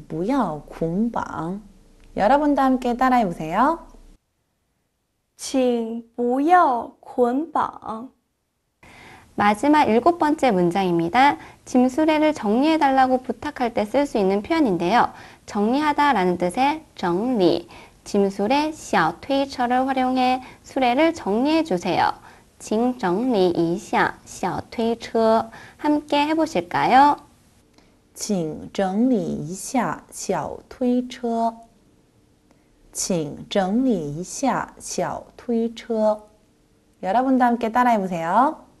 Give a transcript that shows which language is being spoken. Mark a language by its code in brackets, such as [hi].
[zh] 请不要捆绑请不要捆绑 [ko] 여러분도 함께 따라해보세요. [zh] 请不要捆绑 [ko] 마지막 일곱 번째 문장입니다. 짐수레를 정리해달라고 부탁할 때 쓸 수 있는 표현인데요. 정리하다 라는 뜻의 정리 짐수레 小推车를 활용해 수레를 정리해 주세요. [zh] 请整理一下小推车 [ko] 함께 해보실까요? [zh] 请整理一下小推车请整理一下小推车 [ko] 여러분도 함께 따라해보세요.